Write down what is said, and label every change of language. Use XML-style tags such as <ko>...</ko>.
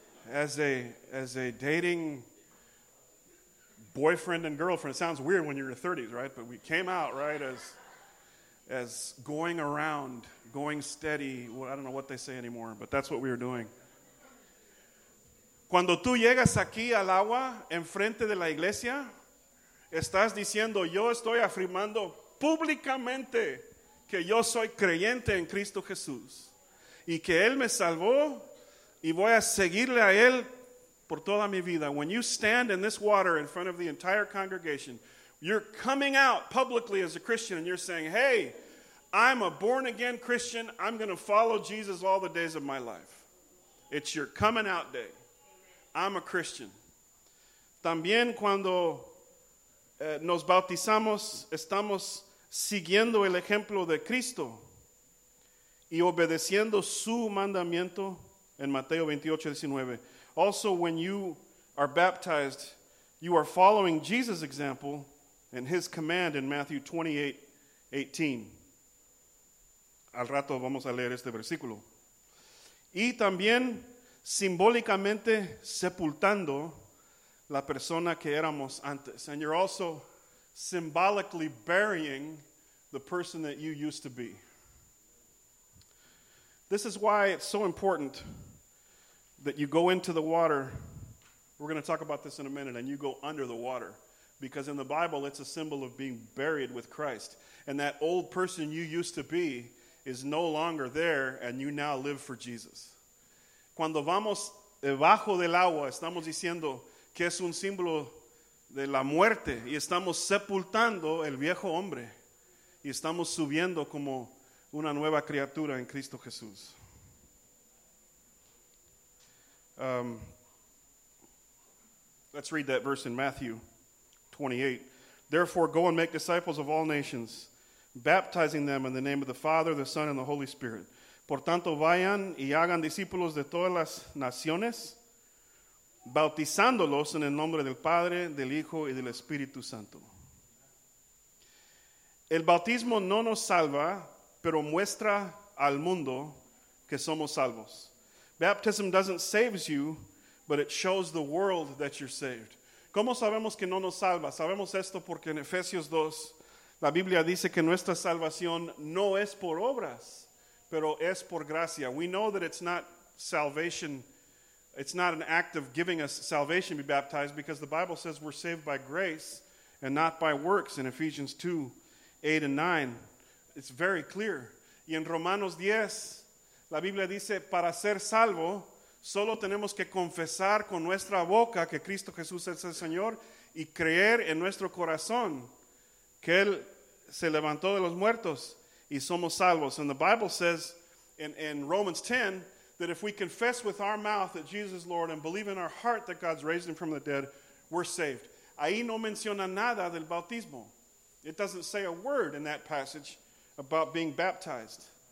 <en>As a dating boyfriend and girlfriend. It sounds weird when you're in your 30s, right? But we came out, right, as going around, going steady. Well, I don't know what they say anymore, but that's what we were doing.</en> <es>Cuando tú llegas aquí al agua, enfrente de la iglesia, estás diciendo, yo estoy afirmando públicamente que yo soy creyente en Cristo Jesús y que Él me salvó y voy a seguirle a Él por toda mi vida.</es> <en>When you stand in this water in front of the entire congregation, you're coming out publicly as a Christian and you're saying, hey, I'm a born-again Christian. I'm going to follow Jesus all the days of my life. It's your coming out day. I'm a Christian.</en> <es>También cuando nos bautizamos, estamos siguiendo el ejemplo de Cristo y obedeciendo su mandamiento en Mateo 28:19.</es> <en>Also, when you are baptized, you are following Jesus' example and his command in Matthew 28:18.</en> <es>Al rato vamos a leer este versículo. Y también simbólicamente sepultando la persona que éramos antes.</es> <en>And you're also symbolically burying the person that you used to be. This is why it's so important that you go into the water. We're going to talk about this in a minute, and you go under the water. Because in the Bible, it's a symbol of being buried with Christ. And that old person you used to be is no longer there, and you now live for Jesus.</en> <es>Cuando vamos debajo del agua, estamos diciendo que es un símbolo de la muerte y estamos sepultando el viejo hombre y estamos subiendo como una nueva criatura en Cristo Jesús.</es> <en>Let's read that verse in Matthew 28. Therefore, go and make disciples of all nations, baptizing them in the name of the Father, the Son, and the Holy Spirit.</en> <es>Por tanto, vayan y hagan discípulos de todas las naciones, bautizándolos en el nombre del Padre, del Hijo y del Espíritu Santo. El bautismo no nos salva, pero muestra al mundo que somos salvos.</es> <en>Baptism doesn't save you, but it shows the world that you're saved.</en> <es>¿Cómo sabemos que no nos salva? Sabemos esto porque en Efesios 2, la Biblia dice que nuestra salvación no es por obras, pero es por gracia.</es> <en>We know that it's not salvation. It's not an act of giving us salvation to be baptized because the Bible says we're saved by grace and not by works in Ephesians 2, 8 and 9. It's very clear.</en> <es>Y en Romanos 10, la Biblia dice, para ser salvo, solo tenemos que confesar con nuestra boca que Cristo Jesús es el Señor y creer en nuestro corazón que Él se levantó de los muertos. Y somos salvos.</es> <en>And the Bible says in Romans 10 that if we confess with our mouth that Jesus is Lord and believe in our heart that God's raised him from the dead, we're saved.</en> <es>Ahí no menciona nada del bautismo.</es> <en>It doesn't say a word in that passage about being baptized.</en>